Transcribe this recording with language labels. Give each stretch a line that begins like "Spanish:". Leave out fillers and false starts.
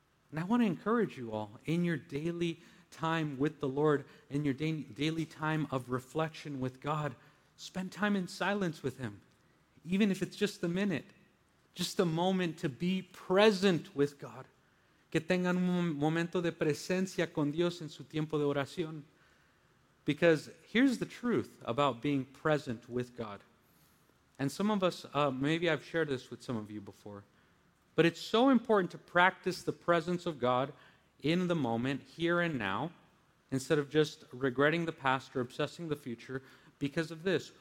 English: And I want to encourage you all in your daily time with the Lord, in your daily time of reflection with God, spend time in silence with him, even if it's just a minute, just a moment to be present with God.
Spanish: Que tengan un momento de presencia con Dios en su tiempo de oración.
English: Because here's the truth about being present with God. And some of us, maybe I've shared this with some of you before, but it's so important to practice the presence of God in the moment, here and now, instead of just regretting the past or obsessing the future because of this.